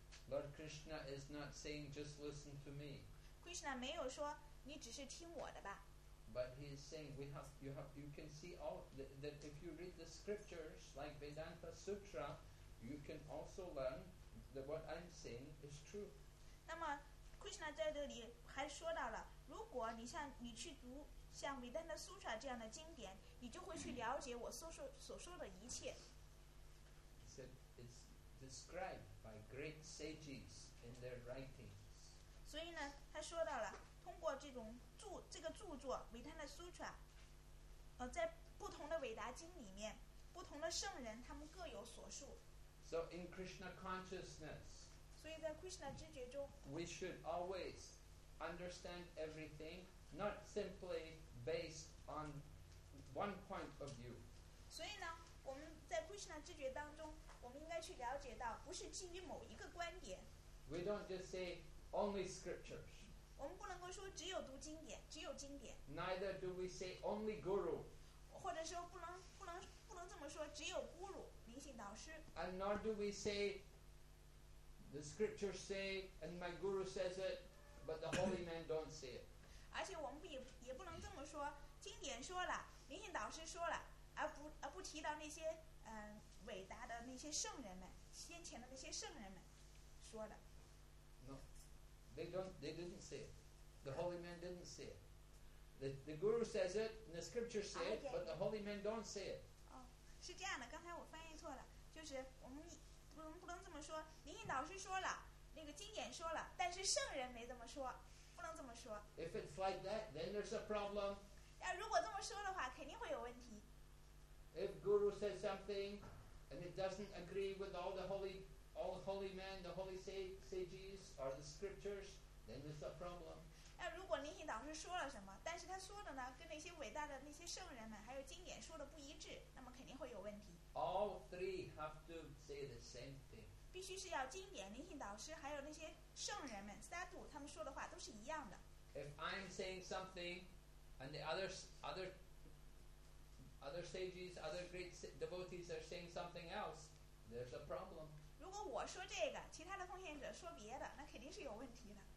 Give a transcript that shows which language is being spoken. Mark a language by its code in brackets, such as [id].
[en] Lord Krishna is not saying just listen to me. [zh] Krishna 没有说你只是听我的吧。 [en] But he is saying you can see all that if you read the scriptures like Vedanta Sutra, you can also learn that what I'm saying is true. [zh] 那么Krishna 在这里还说到了，如果你去读像维丹塔苏彻这样的经典，你就会去了解我所说的一切。 [en] It's described by great sages in their writings. [zh] 所以呢，他说到了，通过这个著作维丹塔苏彻，在不同的伟达经里面，不同的圣人他们各有所述。 [en] So in Krishna consciousness. [zh] 所以在 Krishna 知觉中， [en] we should always understand everything not simply based on one point of view. [zh] 所以呢，我们在 Krishna 知觉当中，我们应该去了解到，不是基于某一个观点。 [en] We don't just say only scriptures. [zh] 我们不能够说只有读经典，只有经典。 [en] Neither do we say only guru. [zh] 或者说不能这么说，只有孤鲁灵性导师。 [en] And nor do we say. The scriptures say, and my guru says it, but the holy men don't say it. [zh] 而且我们也不能这么说，经典说了，灵性导师说了，而不提到那些伟大的那些圣人们，先前的那些圣人们说的。 [en] No, they didn't say it. The holy men didn't say it. The guru says it, and the scriptures say it, but the holy men don't say it. [zh] 哦，是这样的，刚才我翻译错了，就是我们。不能这么说，灵性导师说了，那个经典说了，但是圣人没这么说，不能这么说。 [en] If it's like that, then there's a problem. [zh] 如果这么说的话，肯定会有问题。 [en] If guru says something and it doesn't agree with all the holy men, the holy sages or the scriptures, then there's a problem. [zh] 如果灵性导师说了什么，但是他说的呢，跟那些伟大的那些圣人们还有经典说的不一致，那么肯定会有问题。 [en] All three have to say the same thing. [zh] 必须是要经典、灵性导师还有那些圣人们、sadhu 他们说的话都是一样的。 [en] If I'm saying something, and the other sages, other great devotees are saying something else, there's a problem. [zh] 如果我说这个，其他的奉献者说别的，那肯定是有问题的。